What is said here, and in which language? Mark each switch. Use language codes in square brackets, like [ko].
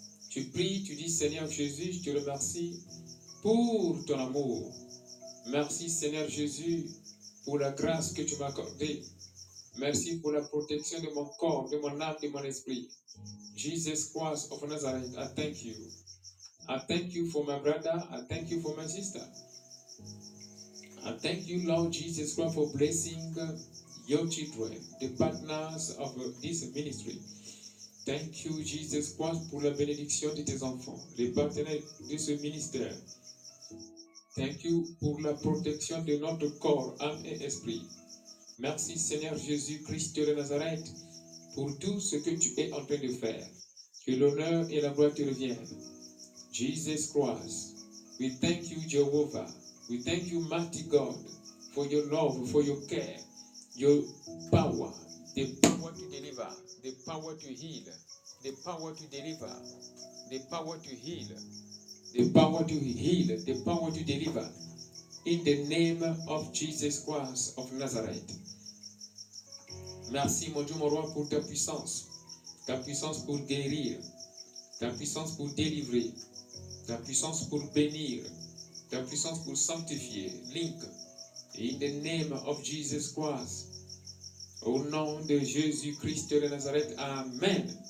[fr] Tu pries, tu dis, Seigneur Jésus, je te remercie pour ton amour. Merci, Seigneur Jésus, pour la grâce que tu m'as accordée. Merci pour la protection de mon corps, de mon âme, de mon esprit. [en] Jesus Christ of Nazareth, I thank you. I thank you for my brother, I thank you for my sister. I thank you, Lord Jesus Christ, for blessing your children, the partners of this ministry. Thank you, [fr] Jesus Christ, pour la bénédiction de tes enfants, les partenaires de ce ministère. [en] Thank you [fr] pour la protection de notre corps, âme et esprit. Merci, Seigneur Jésus-Christ de Nazareth, pour tout ce que tu es en train de faire. Que l'honneur et la gloire te reviennent. Jesus Christ, [en] we thank you, [fr] Jehovah. [en] We thank you, mighty God, for your love, for your care, your power, the power to deliver, the power to heal, the power to deliver, the power to heal, the power to heal, the power to deliver, in the name of Jesus Christ of Nazareth. [fr] Merci, mon Dieu, mon roi, pour ta puissance pour guérir, ta puissance pour délivrer, ta puissance pour bénir, ta puissance pour sanctifier, link, [en] in the name of Jesus Christ, [fr] au nom de Jésus Christ de Nazareth, amen.